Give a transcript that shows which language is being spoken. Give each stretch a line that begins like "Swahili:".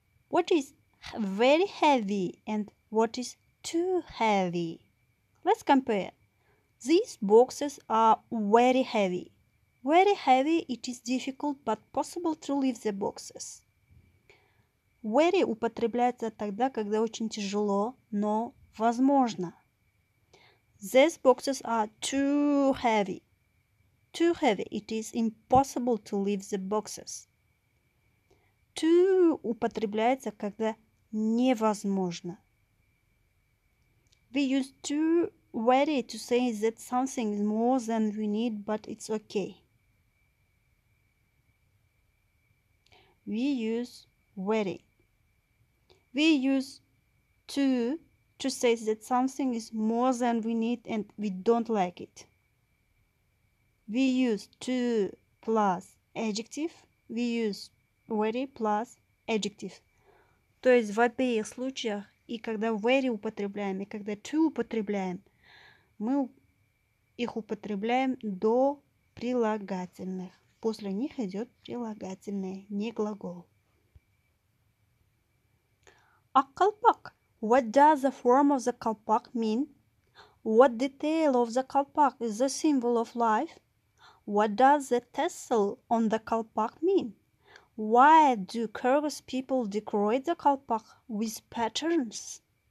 English: What is very heavy and what is too heavy? Let's compare. These boxes are very heavy. Very heavy, it is difficult but possible to lift the boxes.
Russian: Very употребляется тогда, когда очень тяжело, но возможно.
English: These boxes are too heavy. Too heavy, it is impossible to lift the boxes.
Russian: Too употребляется, когда невозможно.
English: We use too very to say that something is more than we need, but it's okay. We use very. We use too to say that something is more than we need and we don't like it. We use too plus adjective. We use very plus adjective.
Russian: То есть в обеих случаях, и когда very употребляем, и когда too употребляем, мы их употребляем до прилагательных. После них идет прилагательное, не глагол.
English: A kalpak. What does the form of the kalpak mean? What detail of the kalpak is the symbol of life? What does the tassel on the kalpak mean? Why do curious people decorate the kalpak with patterns?